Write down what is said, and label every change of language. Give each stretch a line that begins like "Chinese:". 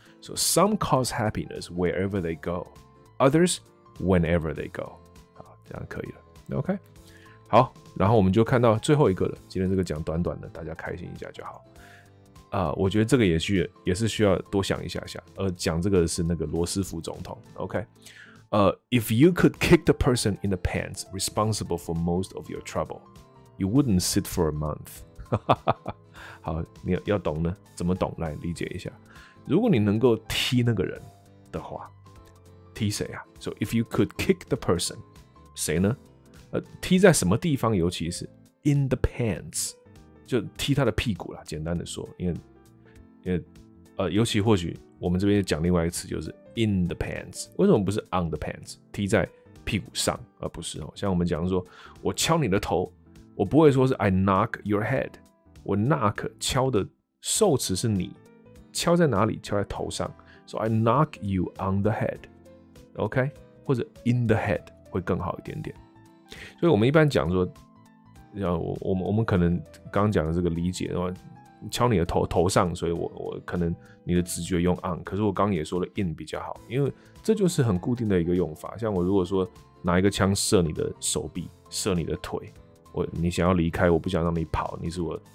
English: So some cause happiness wherever they go, others whenever they go.
Chinese: 好，这样可以了。 OK， 好，然后我们就看到最后一个了。今天这个讲短短的，大家开心一下就好。我觉得这个也是需要多想一下。讲这个是那个罗斯福总统。
English: OK， if you could kick the person in the pants responsible for most of your trouble, you wouldn't sit for a month.
Chinese: 好，你要懂呢，怎么懂？来理解一下。如果你能够踢那个人的话，踢谁啊 ？
English: So if you could kick the person，
Chinese: 谁呢？踢在什么地方？尤其是 in the pants， 就踢他的屁股啦。简单的说，因为尤其或许我们这边讲另外一个词，就是 in the pants。为什么不是 on the pants？ 踢在屁股上，而不是哦。像我们讲说，我敲你的头，我不会说是
English: I knock your head。
Chinese: 我 knock 敲的受词是你。敲在哪里？敲在头上。
English: So I knock you on the head, OK?
Chinese: 或者 in the head 会更好一点点。所以我们一般讲说，我们可能刚讲的这个理解，敲你的头上，所以我可能你的直觉用 on， 可是我刚也说了 in 比较好，因为这就是很固定的一个用法。像我如果说拿一个枪射你的手臂，射你的腿，你想要离开，我不想让你跑，你是我。